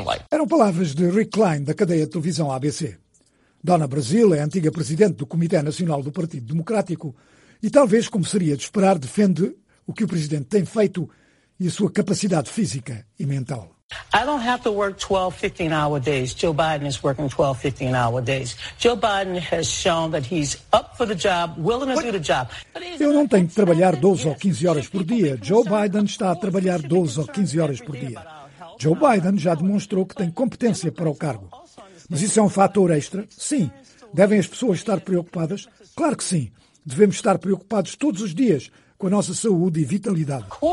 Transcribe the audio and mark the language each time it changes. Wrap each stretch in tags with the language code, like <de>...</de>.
<pt>Eram palavras de Rick Klein, da cadeia de televisão ABC. Donna Brazile é a antiga presidente do Comitê Nacional do Partido Democrático e talvez, como seria de esperar, defende o que o presidente tem feito e a sua capacidade física e mental.</pt> <en>I don't have to work 12-15 hour days. Joe Biden is working 12-15 hour days. Joe Biden has shown that he's up for the job, willing to do the job.</en> <pt>Eu não tenho que trabalhar 12 ou 15 horas por dia. Joe Biden está a trabalhar 12 ou 15 horas por dia. Joe Biden já demonstrou que tem competência para o cargo. Mas isso é um fator extra? Sim. Devem as pessoas estar preocupadas? Claro que sim. Devemos estar preocupados todos os dias com a nossa saúde e vitalidade.</pt>